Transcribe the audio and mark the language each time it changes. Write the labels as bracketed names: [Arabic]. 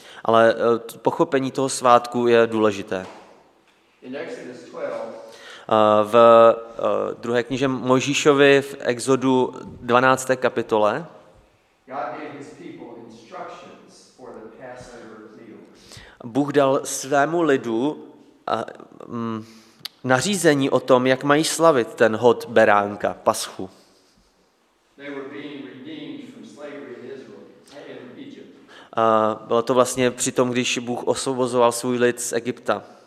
[Czech] Ale pochopení toho svátku je důležité. [English] In Exodus 12, [Czech] v druhé knize Mojžíšovi v Exodu 12. kapitole [English] God gave his people instructions for the Passover meal. [Czech] Bůh dal svému lidu nařízení o tom, jak mají slavit ten hod beránka, paschu. [English] They were being redeemed from slavery in Israel and in Egypt. [Czech] Bylo to vlastně při tom, když Bůh osvobozoval svůj lid z Egypta.